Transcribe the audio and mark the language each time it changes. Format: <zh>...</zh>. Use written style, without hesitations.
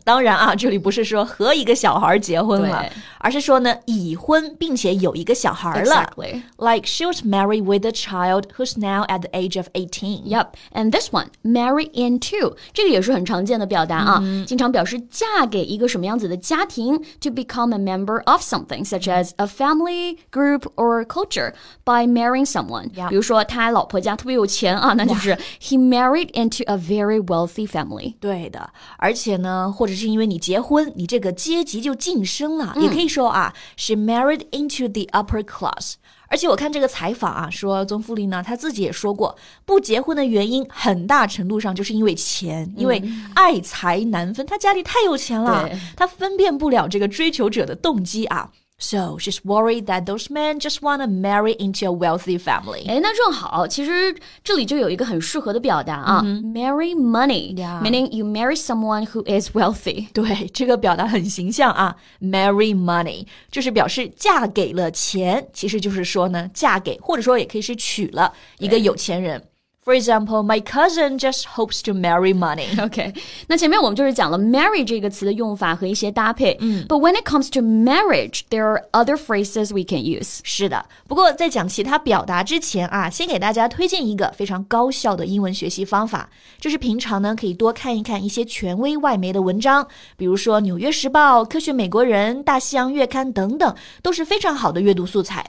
<zh>当然啊，这里不是说和一个小孩结婚了，而是说呢，已婚并且有一个小孩了。</zh> <en>Exactly. Like, she was married with a child who's now at the age of 18. Yep. And this one, marry into.</en> <zh>这个也是很常见的表达啊、经常表示嫁给一个什么样子的家庭</zh> <en>to become a member of something, such as a family, group, or culture, by marrying someone.、 Yep.</en> <zh>比如说他老婆家特别有钱啊，那就是</zh> <en>he married into a very wealthy family.</en> <zh>对的，而且呢或者是因为你结婚你这个阶级就晋升了、也可以说啊</zh> <en>she married into the upper class.</en> <zh>而且我看这个采访啊，说宗馥莉呢她自己也说过，不结婚的原因很大程度上就是因为钱、因为爱财难分，她家里太有钱了，她分辨不了这个追求者的动机啊。</zh> <en>So, she's worried that those men just want to marry into a wealthy family.</en> <zh>哎，那正好，其实这里就有一个很适合的表达啊、marry money,、</zh> <en>meaning you marry someone who is wealthy.</en> <zh>对，这个表达很形象啊 ,marry money, 就是表示嫁给了钱，其实就是说呢，嫁给，或者说也可以是娶了一个有钱人。</zh> <en>For example, my cousin just hopes to marry money.</en> <zh>Okay, 那前面我们就是讲了 marry 这个词的用法和一些搭配。</zh> <en>But when it comes to marriage, there are other phrases we can use.</en> <zh>是的，不过在讲其他表达之前啊，先给大家推荐一个非常高效的英文学习方法，就是平常呢可以多看一看一些权威外媒的文章，比如说《纽约时报》、《科学美国人》、《大西洋月刊》等等，都是非常好的阅读素材。</zh>